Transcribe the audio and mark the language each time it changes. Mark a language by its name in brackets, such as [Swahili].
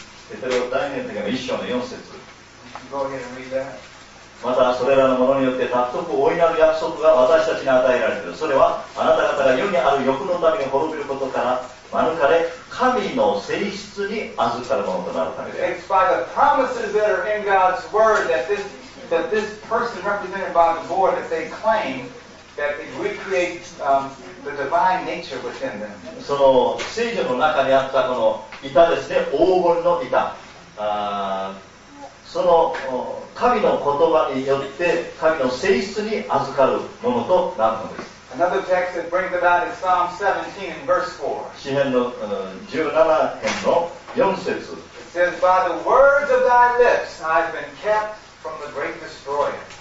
[Japanese] ペテロ第二の手紙の一章の4節。 [English] Go ahead and read that. [Japanese] またそれらのものによって獲得を大いなる約束が私たちに与えられている。それはあなた方が世にある欲のために滅びることから免れ、神の性質に預かるものとなるためです。 [English] It's by the promises that are in God's word that this person represented by the board that they claim that they recreate the divine nature within them. [Japanese] その聖所の中にあったこの板ですね、黄金の板。その神の言葉によって神の性質に預かるものとなるのです。 [English] Another text that brings about is Psalm 17 and verse 4. [Japanese] 詩編の17編の4節。 [English] It says, By the words of thy lips I have been kept from the great destroyer.